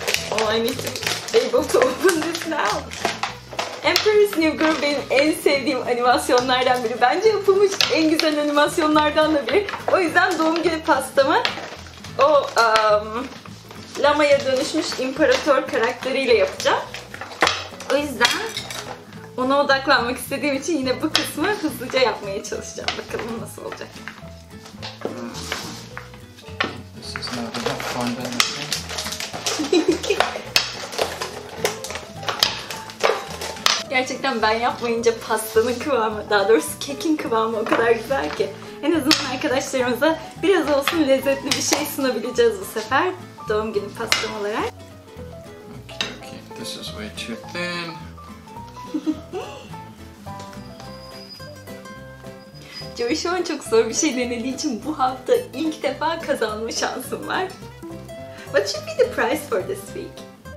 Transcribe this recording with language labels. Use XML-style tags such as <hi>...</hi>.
<en>Oh, I need to be able to open this now.</en> <tr>Emperor's New Groove benim en sevdiğim animasyonlardan biri. Bence yapılmış en güzel animasyonlardan da biri. O yüzden doğum günü pastamı o... Lama'ya dönüşmüş imparator karakteriyle yapacağım. O yüzden ona odaklanmak istediğim için yine bu kısmı hızlıca yapmaya çalışacağım. Bakalım nasıl olacak.</tr> <en>This is not about fun,</en> <tr>ben de. Gerçekten ben yapmayınca pastanın kıvamı, daha doğrusu kekin kıvamı o kadar güzel ki. En azından arkadaşlarımıza biraz olsun lezzetli bir şey sunabileceğiz bu sefer. Doğum günü pastam olarak.</tr> <en>Okay, okay. This is way too thin.</en> <tr>Joey şu an çok zor bir şey denediği için bu hafta ilk defa kazanma şansım var.</tr> <en>What should be the prize for this week?</en>